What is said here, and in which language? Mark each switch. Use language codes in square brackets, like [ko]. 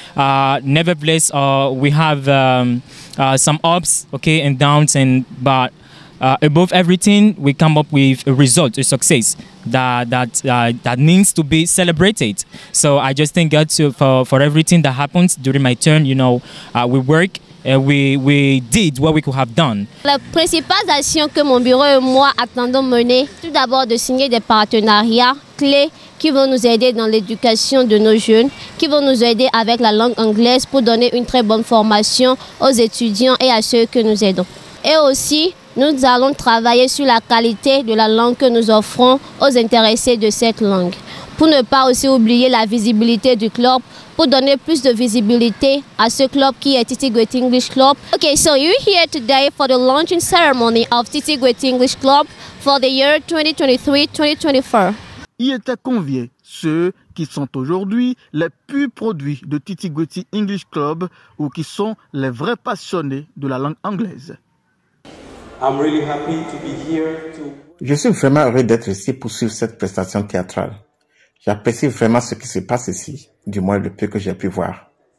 [en] Nevertheless, we have some ups, okay, and downs, but above everything, we come up with a result, a success that needs to be celebrated. So I just thank God for everything that happens during my turn. You know, we work and we did what we could have done. [fr] Les principales actions que mon bureau et moi attendons mener, tout d'abord de signer des partenariats clés qui vont nous aider dans l'éducation de nos jeunes, qui vont nous aider avec la langue anglaise pour donner une très bonne formation aux étudiants et à ceux que nous aidons. Et aussi, nous allons travailler sur la qualité de la langue que nous offrons aux intéressés de cette langue. Pour ne pas aussi oublier la visibilité du club, pour donner plus de visibilité à ce club qui est Titi Gwetti English Club. [en] Okay, so you're here today for the launching ceremony of Titi Gwetti English Club for the year 2023-2024. [fr] Y étaient conviés ceux qui sont aujourd'hui les plus produits de Titi Gwetti English Club ou qui sont les vrais passionnés de la langue anglaise. [en] I'm really happy to be here to... [fr] Je suis vraiment heureux d'être ici pour suivre cette prestation théâtrale. J'apprécie vraiment ce qui se passe ici, du moins le peu que j'ai pu voir.